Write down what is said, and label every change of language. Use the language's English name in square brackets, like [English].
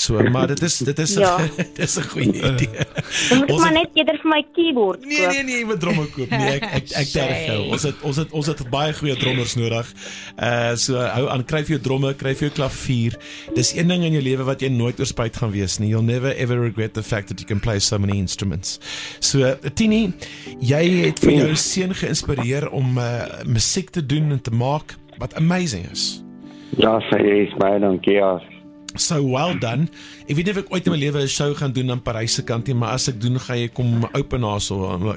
[Afrikaans] So, maar dit is ja. Dit is 'n goeie idee. Dan moet ek net eerder vir my keyboard koop. Nee, ek moet dromme koop. Nee, ek terg jou. Ons het baie goeie drommers nodig. So, hou aan, kry vir jou dromme, kry vir jou klavier. Dis een ding in jou lewe wat jy nooit oorspuit gaan wees nie. [English] You'll never ever regret the fact that you can play so many instruments. [Afrikaans] So, Tini, jy het vir jou seun geïnspireer om musiek te doen en te maak, wat amazing is. Ja, sy is baie dankie, ja. [English] So well done. [Afrikaans] Ek weet nie of ek ooit in my lewe 'n show gaan doen aan Parys se kant nie, maar as ek doen, ga jy kom open haar so.